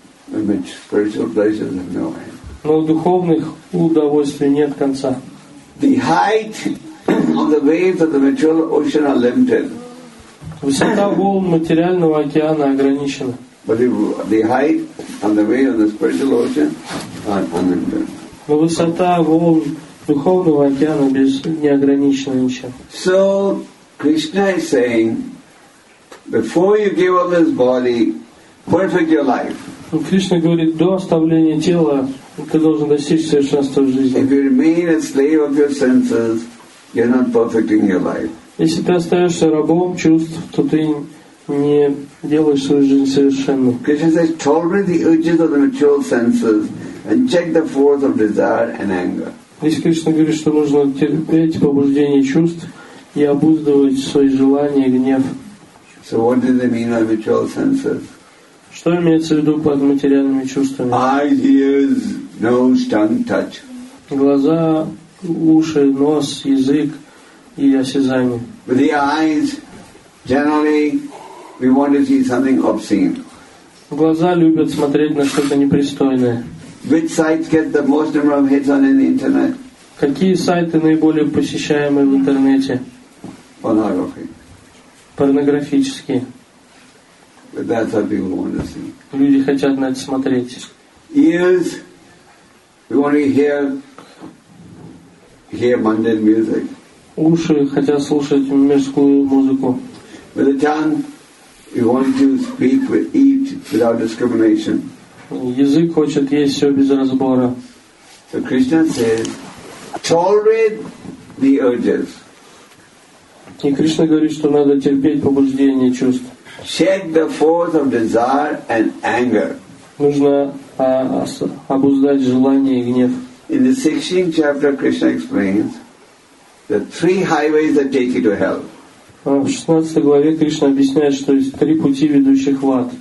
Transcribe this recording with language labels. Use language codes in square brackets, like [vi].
[en] Spiritual pleasures have no end. [ru] Но у духовных удовольствий нет конца. [en] The height of the waves of the material ocean are limited. [ru] Высота волн материального океана ограничена. [en] But the height and the waves of the spiritual ocean are unlimited. [ru] Но высота волн духовного океана без неограниченного ничего. [en] So Krishna is saying, before you give up this body, perfect your life. [ru] Кришна говорит, до оставления тела ты должен достичь совершенства в жизни. [en] If you remain a slave of your senses, you're not perfecting your life. [ru] Если ты остаешься рабом чувств, то ты не делаешь свою жизнь совершенной. [en] Krishna says, tolerate the urges of the material senses and check the force of desire and anger. [ru] Здесь Кришна говорит, что нужно терпеть побуждение чувств и обуздывать свои желания и гнев. [en] So what does it mean by material senses? [ru] Что имеется в виду под материальными чувствами? [en] Eyes, nose, tongue, touch. [ru] Глаза, уши, нос, язык и осязание. [en] With the eyes, generally, we want to see something obscene. [ru] Глаза любят смотреть на что-то непристойное. [en] Which sites get the most number of hits on the internet? [ru] Какие сайты наиболее посещаемые в интернете? Порнографические. [en] But that's what people want to see. [ru] Люди хотят на это смотреть. [en] Ears, we want to hear mundane music. [ru] Уши хотят слушать мирскую музыку. [en] With the tongue, we want to speak with eat without discrimination. [ru] Язык хочет есть все без разбора. [en] So Krishna says, tolerate the urges. [ru] И Кришна говорит, что надо терпеть побуждение чувств. [en] Check the force of desire and anger. [ru] Нужно обуздать желание и гнев. [en] In the 16th chapter, Krishna explains the three highways that take you to hell. [ru] В 16 главе Кришна объясняет, что есть три пути, ведущих в ад.